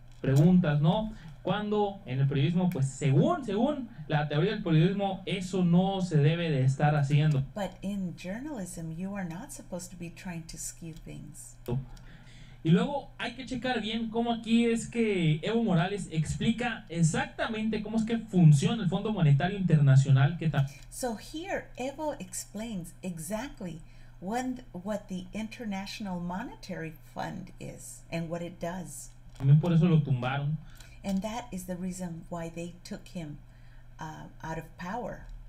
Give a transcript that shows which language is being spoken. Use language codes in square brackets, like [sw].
[es] Preguntas, ¿no? Cuando en el periodismo, pues según la teoría del periodismo, eso no se debe de estar haciendo. [en] But in journalism, you are not supposed to be trying to skew things. [es] Y luego hay que checar bien cómo aquí es que Evo Morales explica exactamente cómo es que funciona el Fondo Monetario Internacional. [en] So here Evo explains exactly what the International Monetary Fund is and what it does. [es] También por eso lo tumbaron. [en] And that is the reason why they took him out of power.